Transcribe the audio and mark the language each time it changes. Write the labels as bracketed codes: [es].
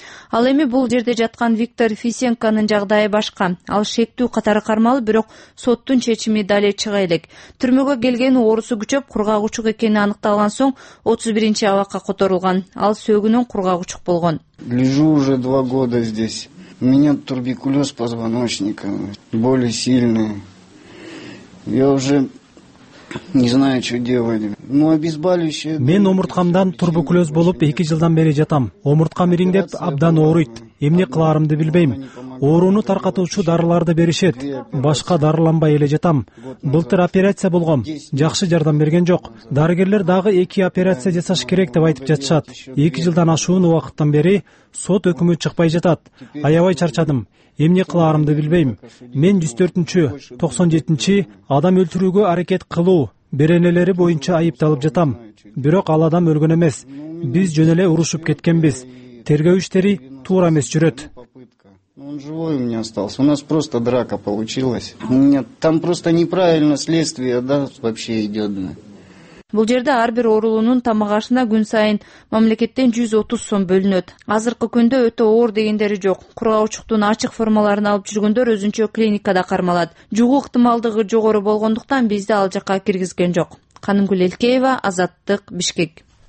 [ky] Ал эми бул жерде жаткан Виктор Фисенконун жагдайы башка. Ал шектүү катары кармалып, бирок соттун чечими дале чыга элек. Түрмөгө келген оорусу күчөп, кургак учук экени аныкталган соң 31-чи абакка которулган. Ал сөөгүнөн кургак учук болгон. [ru] Лежу уже 2 года здесь. У меня туберкулез позвоночника, боли сильные. Я уже не знаю, что делать. Ну, обезболивающее. [ky] Мен омурткамдан туберкулез болуп 2 жылдан бери жатам. Омурткам ириңдеп абдан ооруйт. Эмне кылаарымды билбейм. Оорууну таркатуучу дарыларды беришет. Башка дарыланбай эле жатам. Былтыр операция болгом. Жакшы жардам берген жок. Дарыгерлер дагы 2 операция жасаш керек деп айтып жатышат. 2 жылдан ашуун убакыттан бери сот өкүмү чыкпай жатат. Аябай чарчадым. Эмне кылаарымды билбейм. Мен 104-чү, 97-чи адам өлтүрүүгө аракет кылуу беренелери боюнча айыпталып жатам. Бирок ал адам өлгөн эмес. Биз жөн эле урушуп кеткенбиз. Тергөө иштери туура эмес жүрөт. [ru] Он живой у меня остался. У нас просто драка получилась. У меня там просто неправильно следствие, да, вообще идёт. [ky] Бул жерде ар бир оорулуунун тамагашына күн сайын мамлекеттен 130 сом бөлүнөт. Азыркы күндө өтө оор дегендери жок. Кургак учуктун ачык формаларын алып жүргөндөр өзүнчө клиникада кармалат. Жугуу ыктымалдыгы жогору болгондуктан бизди ал жакка киргизген жок. Канымгүл Элкеева, Азаттык, Бишкек.